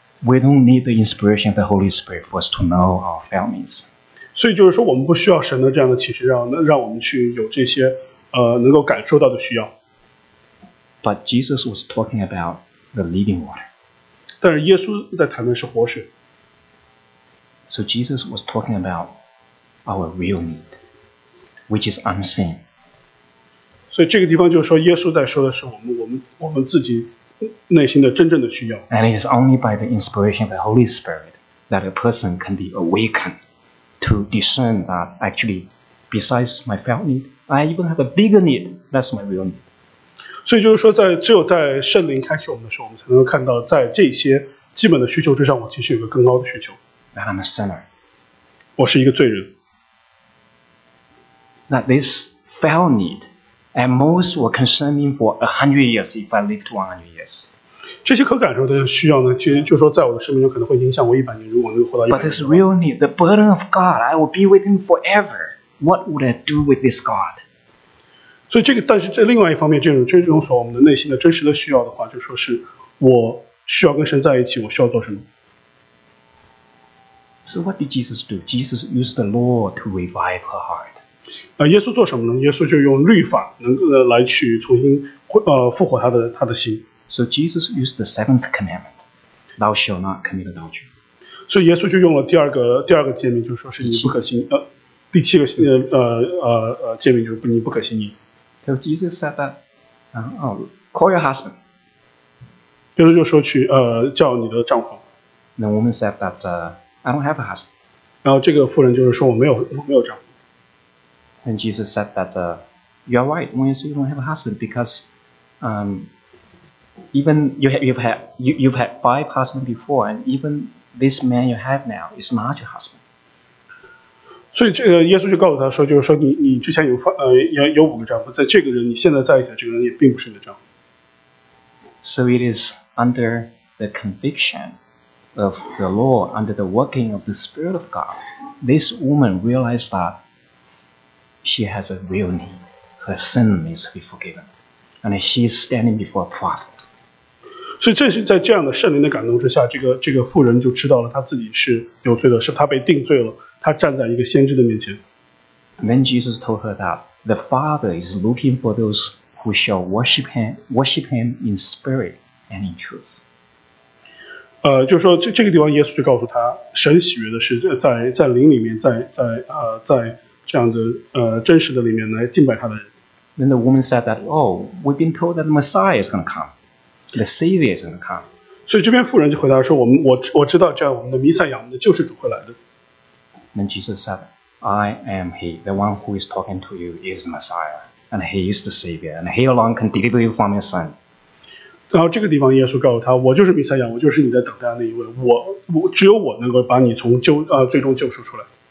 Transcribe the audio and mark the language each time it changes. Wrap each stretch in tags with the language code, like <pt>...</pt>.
<en>We don't need the inspiration of the Holy Spirit for us to know our families.</en> <zh>所以就是说，我们不需要神的这样的启示，让我们去有这些能够感受到的需要。</zh> <en>But Jesus was talking about the living water.</en> <zh>但是耶稣在谈的是活水。</zh> <en>So Jesus was talking about our real need, which is unseen.</en> <zh>所以这个地方就是说，耶稣在说的是我们自己。内心的真正的需要。</zh> <en>And it is only by the inspiration of the Holy Spirit that a person can be awakened to discern that actually, besides my felt need, I even have a bigger need. That's my real need.</en> <zh>所以就是说只有在圣灵开启我们的时候，我们才能够看到，在这些基本的需求之上，我其实有个更高的需求。</zh> <en>That I'm a sinner.</en> <zh>我是一个罪人。</zh> <en>That this felt need. And most were concerning for 100 years if I live to 100 years.</en> <zh>这些可感受的需要呢，其实就是说，在我的生命中可能会影响我100年。如果能活到 100年。</zh> <en>But this real need, the burden of God, I will be with Him forever. What would I do with this God?</en> <zh>所以这个，但是这另外一方面，这种所我们的内心的真实的需要的话，就是说是我需要跟神在一起，我需要做什么</zh> <en>？So what did Jesus do? Jesus used the law to revive her heart.</en> <zh>耶稣做什么呢？耶稣就用律法来去重新复活他的心。</zh> <en>So Jesus used the seventh commandment, thou shalt not commit adultery.</en> <zh>所以耶稣就用了第二个诫命，就是说是你不可行第七个诫命就是你不可行淫。</zh> <en>So Jesus said that, call your husband.</en> <zh>耶稣就说去叫你的丈夫。</zh> <en>The woman said that, I don't have a husband.</en> <zh>然后这个妇人就是说我没有丈夫。</zh> <en>And Jesus said that, you are right when you say you don't have a husband because, even you've had five husbands before and even this man you have now is not your husband.</en> <zh>所以这个耶稣就告诉他说，就是说你之前有五个丈夫，在这个人你现在在一起的这个人也并不是你的丈夫。</zh> <en>So it is under the conviction of the law, under the working of the Spirit of God, this woman realized that she has a real need. Her sin needs to be forgiven, and she is standing before a prophet.</en> <zh>所以这是在这样的圣灵的感动之下，这个妇人就知道了她自己是有罪的，是她被定罪了，她站在一个先知的面前。</zh> <en>Then Jesus told her that the Father is looking for those who shall worship him in spirit and in truth.</en> <zh>就是说这个地方耶稣就告诉他，神喜悦的是在灵里面，在这样的真实的里面来敬拜他的人。</zh> <en>Then the woman said that, oh, we've been told that the Messiah is going to come. The Savior is going to come.</en> <zh>所以这边妇人就回答说我知道这样我们的弥赛亚我们的救世主会来的。</zh> <en>Then Jesus said, I am he, the one who is talking to you is Messiah, and he is the Savior, and he alone can deliver you from your sin.</en> <zh>然后这个地方耶稣告诉他我就是弥赛亚我就是你在等待的那一位我只有我能够把你从最终救赎出来。</zh>